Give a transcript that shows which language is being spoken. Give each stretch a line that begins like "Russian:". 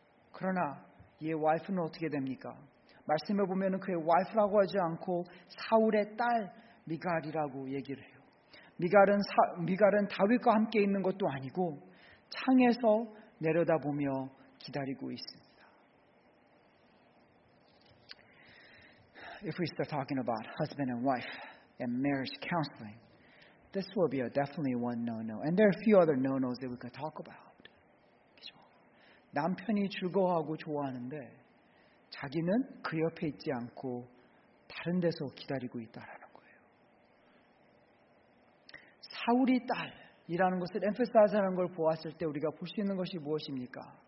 Korean: 그러나 이의 와이프는 어떻게 됩니까? 말씀해 보면 그의 와이프라고 하지 않고 사울의 딸 미갈이라고 얘기를 해요. 미갈은 다윗과 함께 있는 것도 아니고 창에서 내려다보며 기다리고 있습니다.
English: If we start talking about husband and wife and marriage counseling, this will be a definitely one no-no. And there are a few other no-nos that we could talk about.
Korean: 남편이 즐거워하고 좋아하는데 자기는 그 옆에 있지 않고 다른 데서 기다리고 있다라는 거예요. 사울이 딸이라는 것을 emphasize하는 걸 보았을 때 우리가 볼 수 있는 것이 무엇입니까?